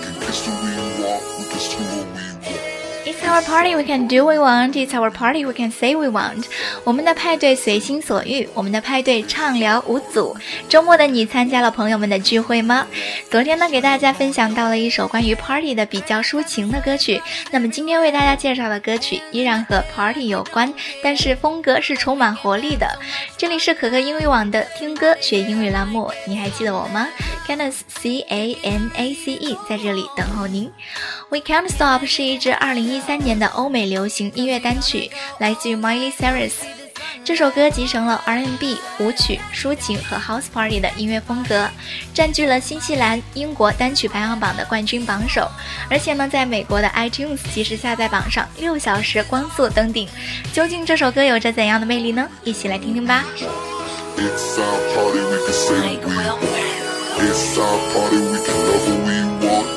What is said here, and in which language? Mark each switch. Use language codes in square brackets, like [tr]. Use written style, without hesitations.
[en] It's our party, we can do what we want. It's our party, we can say we want. [zh] 我们的派对随心所欲，我们的派对畅聊无阻。周末的你参加了朋友们的聚会吗？昨天呢，给大家分享到了一首关于 party 的比较抒情的歌曲。那么今天为大家介绍的歌曲依然和 party 有关，但是风格是充满活力的。这里是可可英语网的听歌学英语栏目，你还记得我吗？ Canace C-A-N-A-C-E 在这里等候您。 We Can't Stop 是一支2013年的欧美流行音乐单曲，来自于 Miley Cyrus。这首歌集成了 R&B、舞曲、抒情和 House Party 的音乐风格，占据了新西兰、英国单曲排行榜的冠军榜首，而且呢，在美国的 iTunes 即时下载榜上6小时光速登顶。究竟这首歌有着怎样的魅力呢？一起来听听吧。 [en] It's our party, we can say we want. It's our party, we can love who we want.